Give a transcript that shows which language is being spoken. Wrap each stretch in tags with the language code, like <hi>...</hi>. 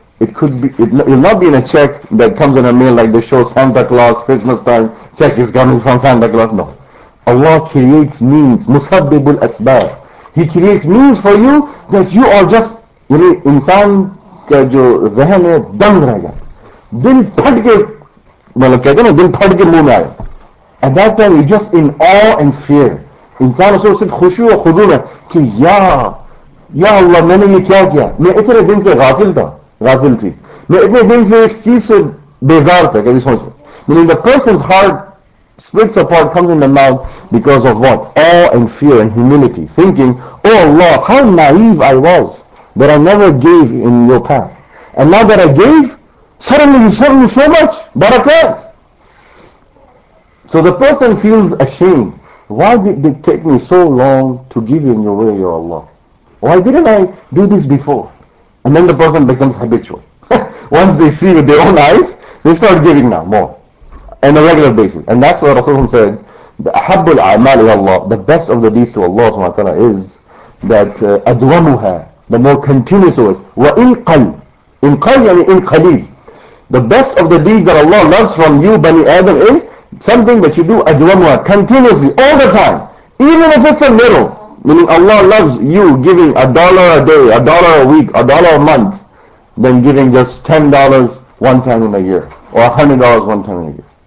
<en>It will not be in a check that comes in a mail like they show Santa Claus, Christmas time, check is coming from Santa Claus. No. Allah creates means. Musabbibul Asbab. He creates means for you that you are just, you know,</en> <ur>insan ka jo rehen hai, dam rahega. دل پھٹ کے، مطلب کہتے نا، دل پھٹ کے منہ میں آیا۔</ur> <en>At that time, you're just in awe and fear.</en> <ur>انسان اسکو صرف خشوع اور خدور ہے کہ یا اللہ، میں نے یہ کیا کیا؟ میں اتنے دن سے غافل تھا، غافل تھی۔ میں اتنے دن سے اس چیز سے بیزار تھا۔ کبھی سوچا؟</ur> <en>Meaning the person's heart splits apart, comes in the mouth because of what? Awe and fear and humility, thinking, oh Allah, how naive I was that I never gave in Your path, and now that I gave, suddenly You sent me so much barakat. So the person feels ashamed. Why did it take me so long to give You in Your way, Ya Allah? Why didn't I do this before? And then the person becomes habitual. Once they see with their own eyes, they start giving now more. On a regular basis. And that's what Rasulullah said, The</en> <ar>أحب الأعمال إلى الله,</ar> <en>the best of the deeds to Allah سبحانه وتعالى is that أدومها, the more continuous ways.</en> <ar>وإن قل, إن قل يعني إن قليل.</ar> <en>The best of the deeds that Allah loves from you, Bani Adam, is something that you do أدومها, continuously, all the time. Even if it's a little, meaning Allah loves you giving $1 a day, $1 a week, $1 a month, than giving just $10 one time in a year, or $100 one time in a year.</en>